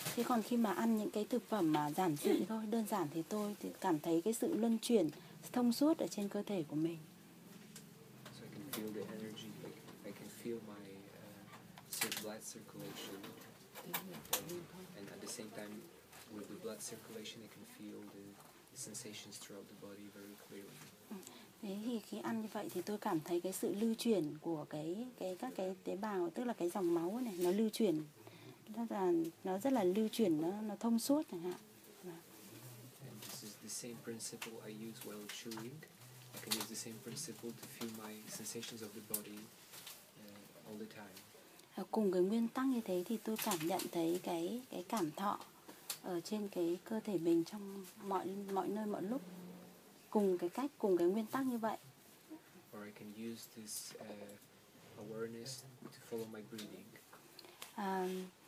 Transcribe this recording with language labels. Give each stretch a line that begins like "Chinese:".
Vietnamese: Thì còn khi mà ăn những cái thực phẩm mà giản dị thôi, đơn giản thì tôi thì cảm thấy cái sự luân chuyển thông suốt ở trên cơ thể của mình.
English: So I can feel the energy, I can feel my blood circulation, and at the same time with the blood circulation, I can feel the sensations throughout the body very clearly.
Vietnamese: Thế thì khi ăn như vậy thì tôi cảm thấy cái sự lưu chuyển của các cái tế bào, tức là cái dòng máu này, nó lưu chuyển rất là lưu chuyển, nó thông suốt chẳng hạn.
English: And this is the same principle I use while chewing. I can use the same principle to feel my sensations of the body all the time.
Vietnamese: Cùng cái nguyên tắc như thế thì tôi cảm nhận thấy cái cảm thọ ở trên cái cơ thể mình trong mọi nơi mọi lúc. Cùng cái cách, cùng cái nguyên tắc như vậy.
English: Or I can use this awareness to follow my breathing.